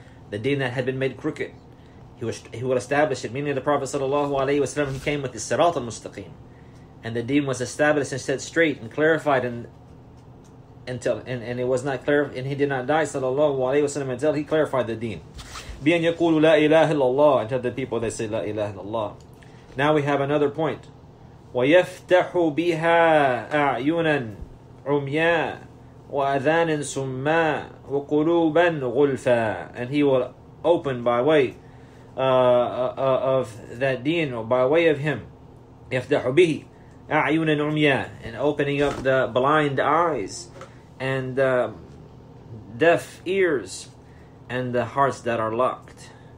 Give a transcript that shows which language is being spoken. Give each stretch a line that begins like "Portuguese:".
English: The deen that had been made crooked. He will establish it. Meaning the Prophet sallallahu alayhi wa sallam, he came with the sirat al-mustaqim. And the deen was established and set straight and clarified until it was not clear, and he did not die sallallahu alayhi wa sallam until he clarified the deen.
Arabic: بِأَنْ يَقُولُ لَا إِلَهَ إِلَّا اللَّهُ,
English: and tell the people they say
Arabic: لَا إِلَهَ إِلَّا اللَّهُ.
English: Now we have another point.
Arabic: وَيَفْتَحُ بِهَا أَعْيُنًا عُمْيًا وَأَذَانٍ سُمَّا وَقُلُوبًا غُلْفًا,
English: and he will open by way of that deen, or by way of him,
Arabic: يَفْدَحُ بِهِ أَعْيُنًا عُمْيًا,
English: and opening up the blind eyes and deaf ears and the hearts that are locked.